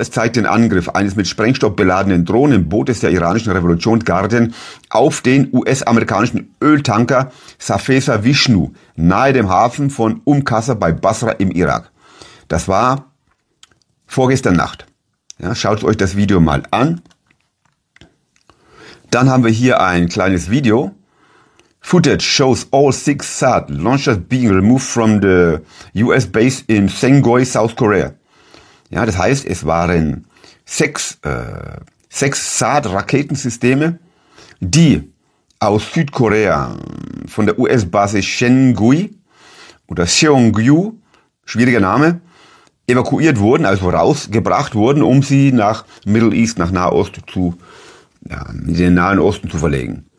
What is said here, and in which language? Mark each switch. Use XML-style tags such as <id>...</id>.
<de>Es zeigt den Angriff eines mit Sprengstoff beladenen Drohnenbootes der iranischen Revolutionsgarden auf den US-amerikanischen Öltanker Safesa Vishnu nahe dem Hafen von Umkasa bei Basra im Irak. Das war vorgestern Nacht. Ja, schaut euch das Video mal an. Dann haben wir hier ein kleines Video.</de> <en>Footage shows all 6 SAT launchers being removed from the US base in Sengoy, South Korea.</en> <de>Ja, das heißt, es waren 6 SAT-Raketensysteme, die aus Südkorea von der US-Basis Shenzhen oder Seongju, schwieriger Name, evakuiert wurden, also rausgebracht wurden, um sie nach</de> <en>Middle East,</en> <de>nach Nahost zu, ja, in den Nahen Osten zu verlegen.</de>